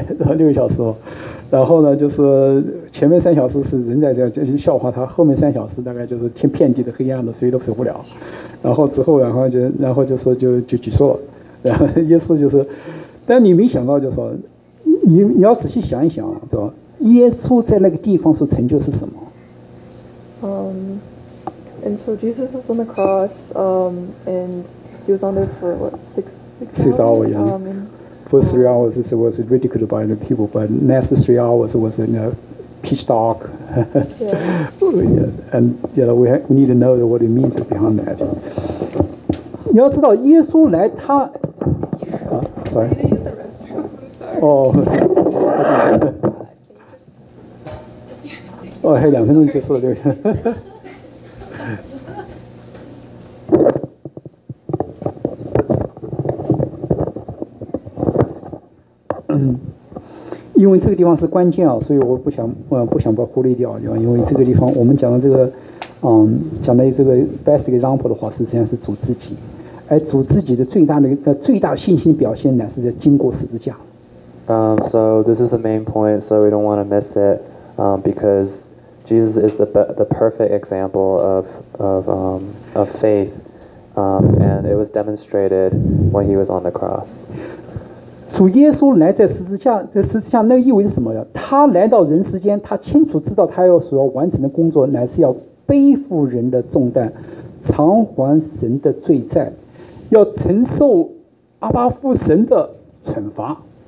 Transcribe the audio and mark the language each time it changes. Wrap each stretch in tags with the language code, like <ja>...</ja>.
<zh>然后六个小时，然后呢，就是前面三小时是人在这进行笑话他，后面三小时大概就是天遍地的黑暗的，谁都走不了。然后之后，然后就说就结束了。然后耶稣就是，但你没想到就说，你要仔细想一想，对吧？耶稣在那个地方所成就是什么？</zh> <en>And so Jesus was on the cross, and he was on there for what, six hours? Yeah. First 3 hours it was ridiculed by the people, but next 3 hours was in a pitch dark. Yeah. And you know, we need to know what it means behind that.</en> <zh>你要知道耶稣来他、啊、sorry.</zh> <en>I'm sorry. Oh.</en> <zh>哦，还两分钟结束了，对。嗯，因为这个地方是关键啊，所以我不想把忽略掉，对吧？因为这个地方，我们讲的这个，讲的这个 best example 的话，实际上是主自己，而主自己的最大信心表现，乃是在经过十字架。</zh> <en>So this is the main point, so we don't want to miss it, because. Jesus is the perfect example of faith, and it was demonstrated when he was on the cross.</en> <zh>主耶稣来在十字架，那意味着什么呀？他来到人世间，他清楚知道他要所要完成的工作，乃是要背负人的重担，偿还神的罪债，要承受阿爸父神的惩罚。</zh>